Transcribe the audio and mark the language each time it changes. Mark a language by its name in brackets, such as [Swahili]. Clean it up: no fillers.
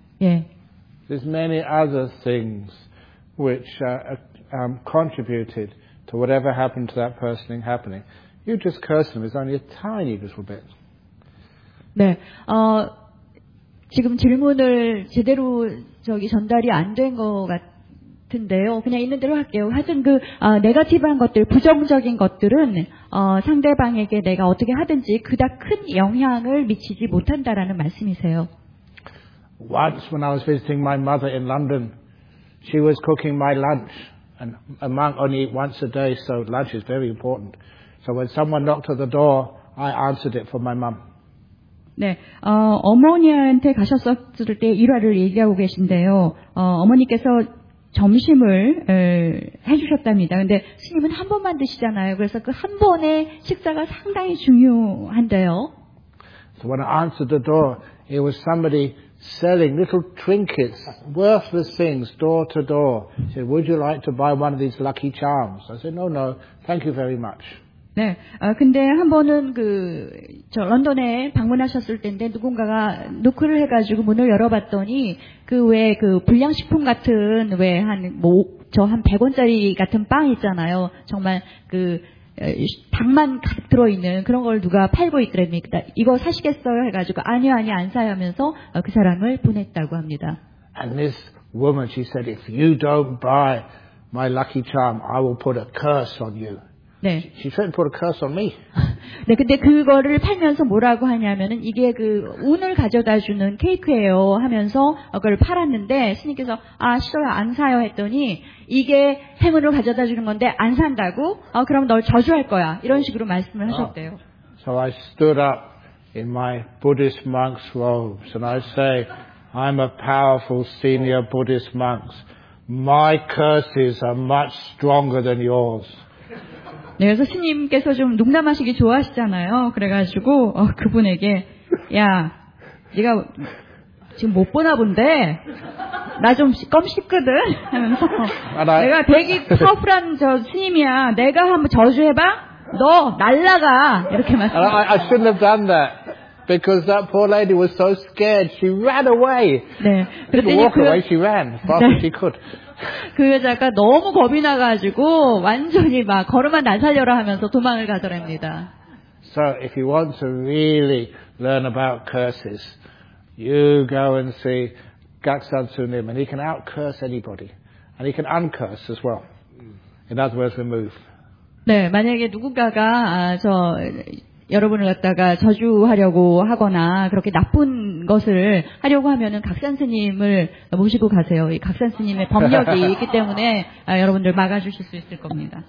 [Korean] 예. [English] There's many other things which contributed to whatever happened to that person happening. You just curse them is only a tiny little bit. [Korean] 네, 지금 질문을 제대로 저기 전달이 안 된 것 같. 근데요, 그냥 있는 대로 할게요. 하여튼 그 네거티브한 것들, 부정적인 것들은 상대방에게 내가 어떻게 하든지 그닥 큰 영향을 미치지 못한다라는 말씀이세요. [English] Once when I was visiting my mother in London, she was cooking my lunch, and a monk only eat once a day, so lunch is very important. So when someone knocked at the door, I answered it for my mum. [Korean] 네, 어머니한테 가셨었을 때 일화를 얘기하고 계신데요. 어머니께서 점심을 해주셨답니다. 그런데 스님은 한 번만 드시잖아요. 그래서 그 한 번의 식사가 상당히 중요한데요. [English] So when I answered the door, it was somebody selling little trinkets, worthless things, door to door. She said, "Would you like to buy one of these lucky charms?" I said, "No, no, thank you very much." [Korean] 네, 근데 한 번은 그 저 런던에 방문하셨을 때인데 누군가가 노크를 해가지고 문을 열어봤더니 그 외에 그 불량식품 같은 외 한 뭐 저 한 100원짜리 같은 빵 있잖아요. 정말 그 당만 가득 들어있는 그런 걸 누가 팔고 있더랍니다. 이거 사시겠어요? 해가지고 아니요 아니 안 사요 하면서 그 사람을 보냈다고 합니다. [English] And this woman, she said, if you don't buy my lucky charm, I will put a curse on you. [Korean] 네. [English] She threatened to put a curse on me. [Korean] 네, 근데 그거를 팔면서 뭐라고 하냐면은 이게 그 운을 가져다 주는 케이크예요 하면서 그걸 팔았는데 스님께서 아 싫어요 안 사요 했더니 이게 행운을 가져다 주는 건데 안 산다고 그럼 널 저주할 거야 이런 식으로 말씀을 하셨대요. [English] So I stood up in my Buddhist monk's robes and I say, I'm a powerful senior Buddhist monk. My curses are much stronger than yours. [Korean] 네, 그래서 스님께서 좀 농담하시기 좋아하시잖아요. 그래가지고 그분에게 야, 네가 지금 못 보나 본데 나 좀 껌 씹거든 하면서 내가 되게 파워풀한 저 스님이야. 내가 한번 저주해봐. 너 날라가 이렇게 말씀. [English] I shouldn't have done that because that poor lady was so scared. She ran away. [Korean] 네, [English] she could walk away. She ran fast as she could. [Korean] 그 여자가 너무 겁이 나가지고 완전히 막 걸음만 날살려라 하면서 도망을 가더랍니다. [English] So if you want to really learn about curses, you go and see Gaksan Sunim, and he can outcurse anybody, and he can uncurse as well. In other words, remove. [Korean] 네, 만약에 누군가가 저 여러분을 갖다가 저주하려고 하거나 그렇게 나쁜 것을 하려고 하면은 각산 스님을 모시고 가세요. 이 각산 스님의 법력이 있기 때문에 여러분들 막아주실 수 있을 겁니다.